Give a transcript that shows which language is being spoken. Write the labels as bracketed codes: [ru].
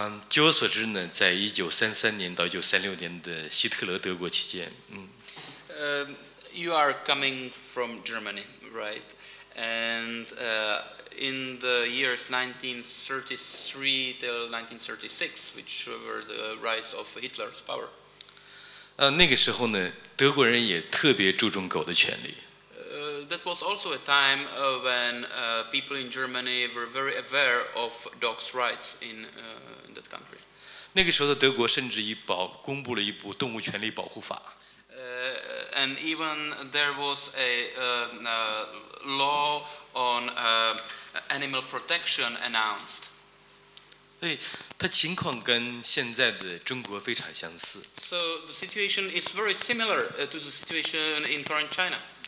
[zh] 据我所知呢，在 1933年到1936年的希特勒德国期间，嗯， [en] You are coming from Germany, right? And in the years 1933 till 1936, which were the rise of Hitler's power. [zh] 那个时候呢，德国人也特别注重狗的权利。 [en] That was also a time when people in Germany were very aware of dogs' rights in that country. [zh] 那个时候的德国甚至公布了一部动物权利保护法。 [en] And even there was a law on animal protection announced. [zh] 对，它情况跟现在的中国非常相似。 [en] So the situation is very similar to the situation in current China.